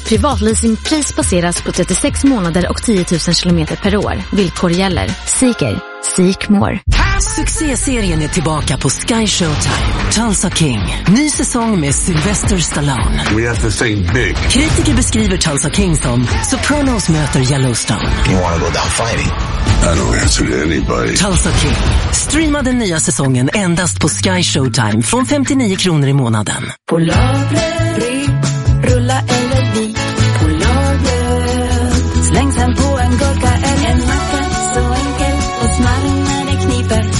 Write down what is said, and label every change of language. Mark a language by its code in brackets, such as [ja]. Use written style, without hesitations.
[sv] Privatleasingpris baseras på 36 månader och 10 000 km per år. Villkor gäller. Seeker. [en] Seek more. [sv] Succéserien är tillbaka på Sky Showtime. Tulsa King. Ny säsong med Sylvester Stallone. [en] We have to think big. [sv] Kritiker beskriver Tulsa King som Sopranos möter Yellowstone. [en] You wanna go down fighting? I don't answer to anybody. Tulsa King. [sv] Streama den nya säsongen endast på Sky Showtime från 59 kronor i månaden. På lagret, rulla eller vi. På lagret, släng sen på en gurka eller en macka. Så enkel och smarrig när det kniper.